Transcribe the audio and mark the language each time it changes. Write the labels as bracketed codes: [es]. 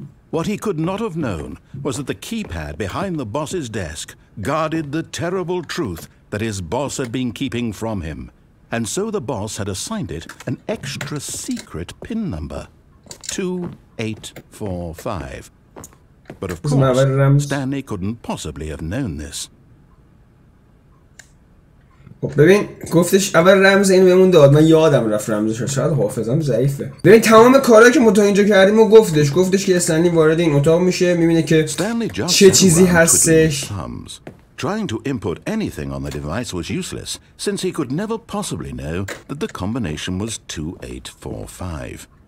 [en] What he could not have known was that the keypad behind the boss's desk guarded the terrible truth that his boss had been keeping from him, and so the boss had assigned it an extra secret PIN number. 2845. But of course, Stanley couldn't possibly have known this. [fa] ببین گفتش اول رمز اینو بهمون داد، من یادم رفت رمزش، شاید حافظم ضعیفه. ببین تمام کارا که ما تا اینجا کردیم و گفتش، گفتش که استنلی وارد این اتاق میشه، میبینه که چه چیزی هستش. [en] Trying to input anything on the device was useless, since he could never possibly know that the combination was 2845.